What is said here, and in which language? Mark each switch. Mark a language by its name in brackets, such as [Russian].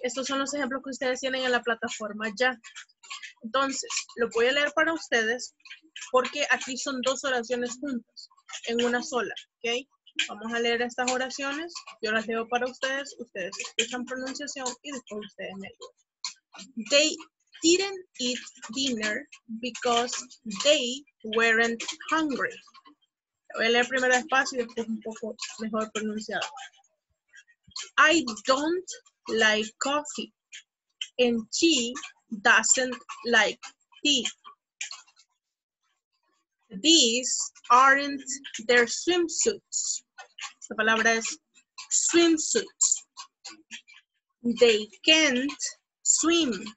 [Spanish] Estos son los ejemplos que ustedes tienen en la plataforma ya. Entonces, lo voy a leer para ustedes porque aquí son dos oraciones juntas, en una sola, ¿ok? Vamos a leer estas oraciones, yo las leo para ustedes, ustedes escuchan pronunciación y después ustedes me ayudan. [English] They didn't eat dinner because they weren't hungry. [Spanish] Voy a leer primero despacio y después un poco mejor pronunciado. [English] I don't like coffee and she doesn't like tea. These aren't their swimsuits. [Spanish] La palabra es swimsuits. [English] They can't swim.